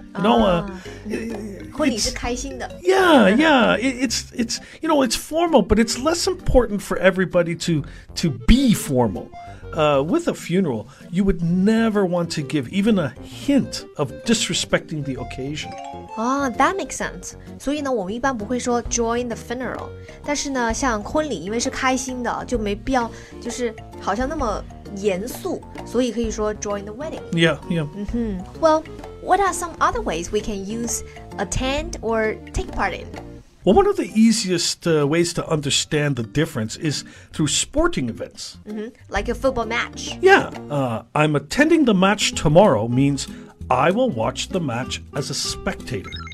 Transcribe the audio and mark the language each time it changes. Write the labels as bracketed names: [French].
[English] You know, it's formal, but it's less important for everybody to be formal. With a funeral, you would never want to give even a hint of disrespecting the occasion. That makes sense. [Chinese] 所以呢，我们一般不会说 [English] join the funeral. [Chinese] 但是呢，像婚礼，因为是开心的，就没必要，就是好像那么严肃，所以可以说 [English] join the wedding. Yeah. Mm-hmm. Well, what are some other ways we can use attend or take part in? Well, one of the easiest ways to understand the difference is through sporting events. Like a football match. Yeah. I'm attending the match tomorrow means... I will watch the match as a spectator.